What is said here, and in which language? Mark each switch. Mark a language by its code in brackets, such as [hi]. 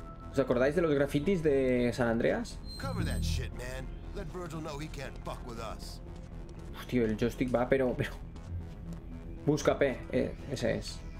[es] ¿Os acordáis de los grafitis de San Andreas? [en] Cover that shit, man. Let Virgil know he can't fuck with us. [es] Hostia, el joystick va, pero Buscapé, ese es.